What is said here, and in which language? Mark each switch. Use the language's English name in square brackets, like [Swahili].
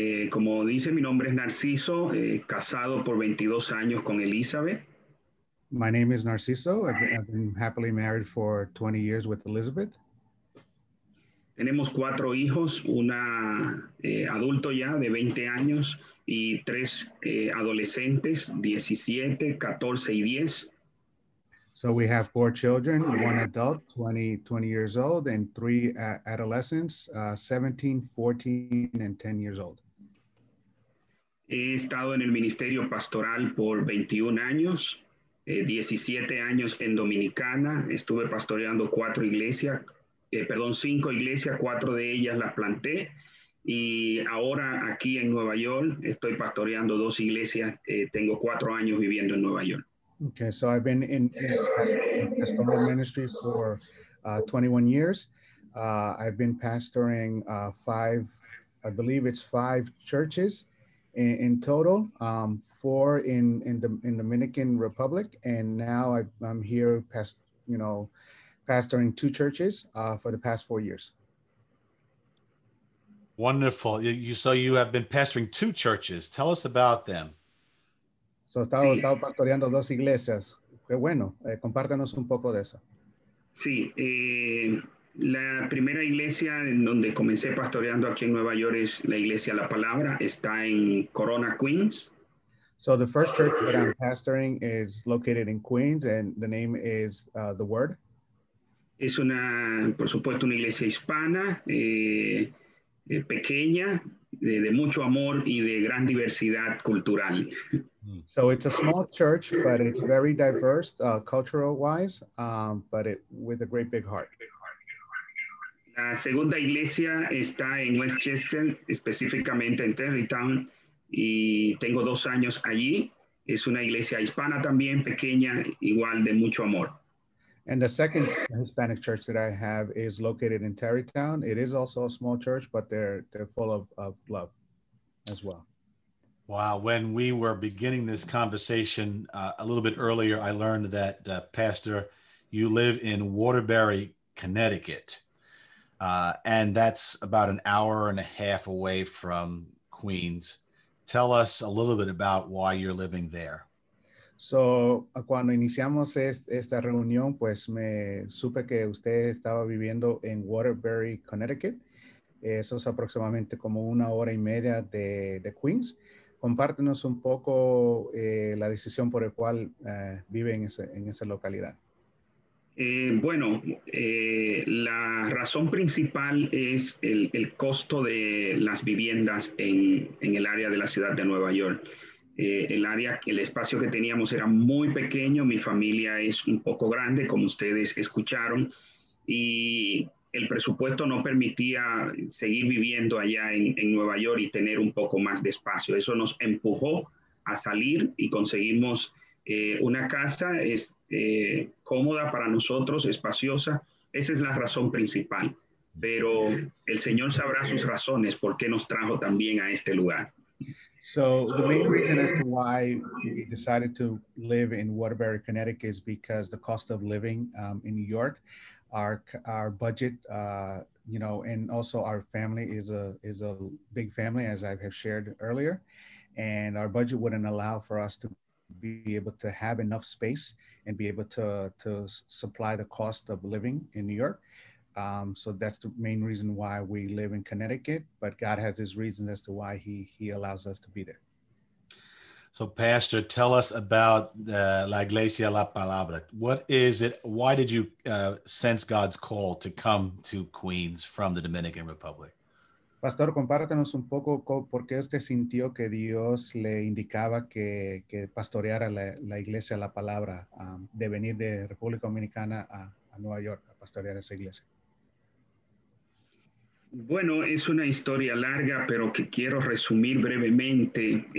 [Spanish] Como dice, mi nombre es Narciso, casado por 22 años con Elizabeth. [English] My name is Narciso. I've been happily married for 20 years with Elizabeth. [Spanish] Tenemos cuatro hijos, una adulto ya de 20 años y tres adolescentes, 17, 14 y 10. [English] So we have four children, one adult, 20 years old, and three adolescents, 17, 14, and 10 years old. [Spanish] He estado en el ministerio pastoral por 21 años, 17 años en Dominicana, estuve pastoreando cuatro iglesias. Cinco iglesias, cuatro de ellas las planté, y ahora aquí en Nueva York estoy pastoreando dos iglesias. Tengo cuatro años viviendo en Nueva York. [English] Okay, so I've been in pastoral ministry for 21 years. I've been pastoring five churches in total, four in Dominican Republic, and now I'm here pastoring two churches for the past 4 years. Wonderful. You have been pastoring two churches. Tell us about them. [Spanish] So, estaba pastoreando dos iglesias. Qué bueno. Compártanos un poco de eso. Sí. La primera iglesia en donde comencé pastoreando aquí en Nueva York es la iglesia La Palabra. Está en Corona, Queens. [English] So, the first church that I'm pastoring is located in Queens, and the name is The Word. [Spanish] Es una, por supuesto, una iglesia hispana, pequeña, de mucho amor y de gran diversidad cultural. [English] So it's a small church, but it's very diverse, cultural-wise, with a great big heart. [Spanish] La segunda iglesia está en Westchester, específicamente en Terrytown, y tengo dos años allí. Es una iglesia hispana también, pequeña, igual de mucho amor. [English] And the second Hispanic church that I have is located in Terrytown. It is also a small church, but they're full of love as well. Wow. When we were beginning this conversation a little bit earlier, I learned that, Pastor, you live in Waterbury, Connecticut. And that's about an hour and a half away from Queens. Tell us a little bit about why you're living there. [Spanish] So, cuando iniciamos esta reunión, pues me supe que usted estaba viviendo en Waterbury, Connecticut. Eso es aproximadamente como una hora y media de Queens. Compártenos un poco la decisión por el cual vive en esa localidad. La razón principal es el costo de las viviendas en el área de la ciudad de Nueva York. El área, el espacio que teníamos era muy pequeño. Mi familia es un poco grande, como ustedes escucharon. Y el presupuesto no permitía seguir viviendo allá en Nueva York y tener un poco más de espacio. Eso nos empujó a salir y conseguimos una casa cómoda para nosotros, espaciosa. Esa es la razón principal. Pero el Señor sabrá sus razones por qué nos trajo también a este lugar. [English] So the main reason as to why we decided to live in Waterbury, Connecticut is because the cost of living in New York, our budget, and also our family is a big family, as I have shared earlier, and our budget wouldn't allow for us to be able to have enough space and be able to supply the cost of living in New York. So that's the main reason why we live in Connecticut, but God has his reasons as to why he allows us to be there. So Pastor, tell us about La Iglesia La Palabra. What is it? Why did you sense God's call to come to Queens from the Dominican Republic? [Spanish] Pastor, compártanos un poco por qué usted sintió que Dios le indicaba que pastoreara la Iglesia La Palabra, de venir de República Dominicana a Nueva York a pastorear esa iglesia. Bueno, es una historia larga, pero que quiero resumir brevemente.